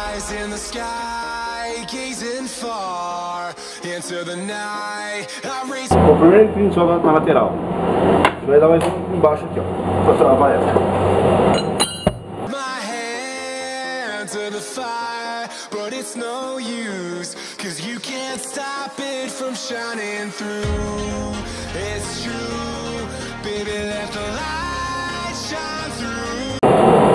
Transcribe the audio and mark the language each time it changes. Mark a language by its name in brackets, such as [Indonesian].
[English] In the sky, gazing far into the night. [Portuguese] O primeiro pino só na lateral. Vai dar mais um embaixo aqui, ó. Pra travar ela. [English] My hand to the fire, but it's no use, 'cause you can't stop it from shining through. It's true, baby, let the light shine through.